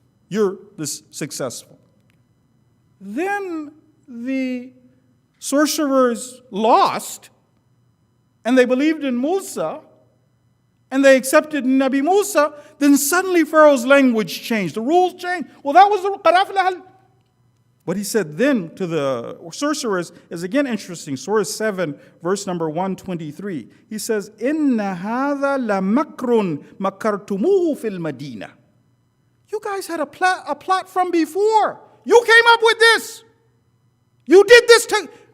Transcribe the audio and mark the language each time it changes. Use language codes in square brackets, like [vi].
[en] You're this successful. Then the sorcerers lost, and they believed in Musa, and they accepted Nabi Musa, then suddenly Pharaoh's language changed. The rules changed. Well, that was the [ar] قَدْ أَفْلَحَ. [en] What he said then to the sorcerers is again interesting. Surah 7, verse number 123. He says, [ar] إِنَّ هَذَا لَمَكْرٌ مَكَرْتُمُوهُ فِي الْمَدِينَةِ. [en] You guys had a plot from before. You came up with this. You did this to...